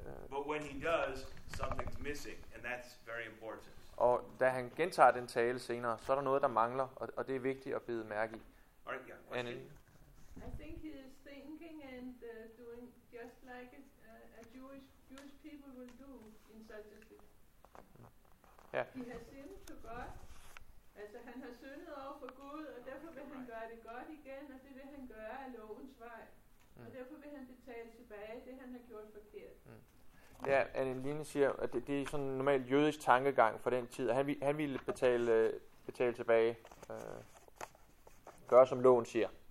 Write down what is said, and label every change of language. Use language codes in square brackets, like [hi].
[en] But when he does, something's missing, and that's very important. [da] Og da han gentager den tale senere, så er der noget, der mangler, og det er vigtigt at bide mærke i. [en] Alright, yeah, I think he is thinking and doing just like a Jewish people will do in such a situation. Yeah. He has sinned to God. [da] Altså han har syndet over for Gud, og derfor vil han gøre det godt igen, og det vil han gøre af lovens vej. Mm. Og derfor vil han betale tilbage det, han har gjort forkert. Mm. Ja, Anne-Line siger, at det er sådan en normal jødisk tankegang for den tid. Han ville betale tilbage, gøre som loven siger.